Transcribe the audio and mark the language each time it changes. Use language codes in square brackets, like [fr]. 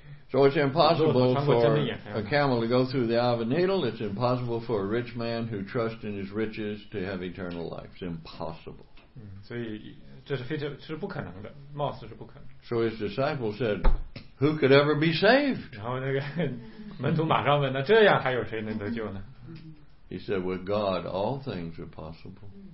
[en] So it's impossible for a camel to go through the eye of a needle. It's impossible for a rich man who trusts in his riches to have eternal life. It's impossible. [zh] 所以这是非常是不可能的，貌似是不可能。 [en] So his disciples said, "Who could ever be saved?" [zh] 然后那个门徒马上问：“那这样还有谁能得救呢？” [en] He said, "With God, all things are possible."